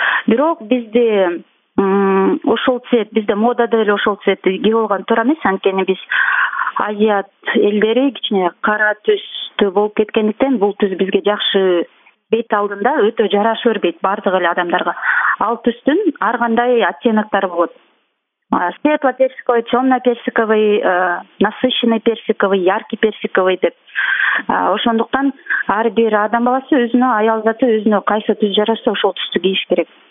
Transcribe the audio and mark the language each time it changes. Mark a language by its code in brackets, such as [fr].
[ky] Бирок бизде ошол цвет, бизде модада эле ошол цвет ийгилеп болгон туура эмес, анткени биз азият элдери кичине кара түстүү болуп кеткендиктен бул түс бизге жакшы бет алдында өтө жараша бербейт баардык эле адамдарга. Ал түстүн ар кандай оттенктери болот. [ru] Светло персиковый, темно персиковый, насыщенный персиковый, яркий персиковый деп. [ky] Ошондуктан ар бир адам баласы өзүнө, аял заты өзүнө кайсы түс жарашса ошол түстү кийиш керек.